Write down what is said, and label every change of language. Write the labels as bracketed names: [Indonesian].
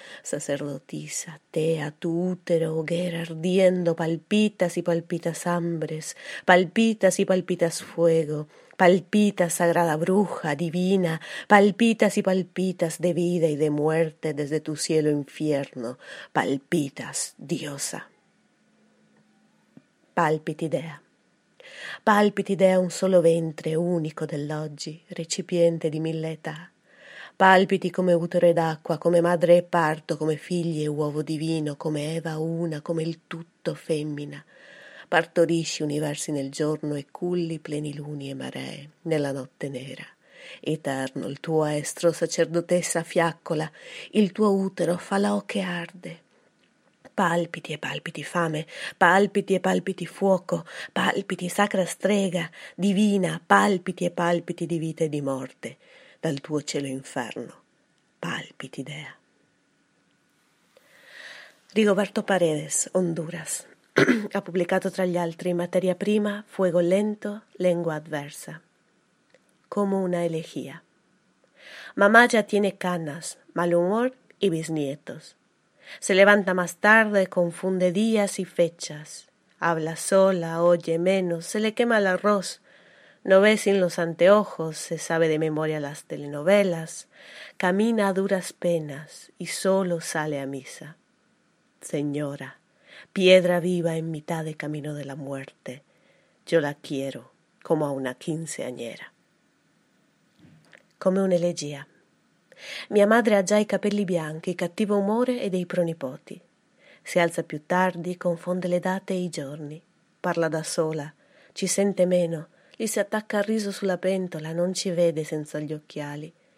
[Spanish] sacerdotisa, tea tu útero, hoguera ardiendo, palpitas y palpitas hambres, palpitas y palpitas fuego, palpitas sagrada bruja divina, palpitas y palpitas de vida y de muerte desde tu cielo infierno, palpitas diosa. Palpitidea. [Italian] Palpitidea un solo ventre unico dell'oggi, recipiente di mille età. Palpiti come utero d'acqua, come madre e parto, come figli e uovo divino, come Eva una, come il tutto femmina. Partorisci universi nel giorno e culli pleniluni e maree nella notte nera. Eterno il tuo estro, sacerdotessa fiaccola, il tuo utero falò che arde. Palpiti e palpiti fame, palpiti e palpiti fuoco, palpiti sacra strega, divina, palpiti e palpiti di vita e di morte, dal tuo cielo inferno, palpiti dea. Rigoberto Paredes, Honduras, ha pubblicato tra gli altri Materia prima, Fuego lento, Lengua adversa. Come una elegia. [Spanish] Mamá ya tiene canas, mal humor y bisnietos. Se levanta más tarde, confunde días y fechas. Habla sola, oye menos, se le quema el arroz. No ve sin los anteojos, se sabe de memoria las telenovelas. Camina a duras penas y solo sale a misa. Señora, piedra viva en mitad del camino de la muerte. Yo la quiero como a una quinceañera. [Italian] Come un'elegia. Mia madre ha già i capelli bianchi, cattivo umore e dei pronipoti. Si alza più tardi, confonde le date e i giorni. Parla da sola, ci sente meno, gli si attacca al riso sulla pentola, non ci vede senza gli occhiali.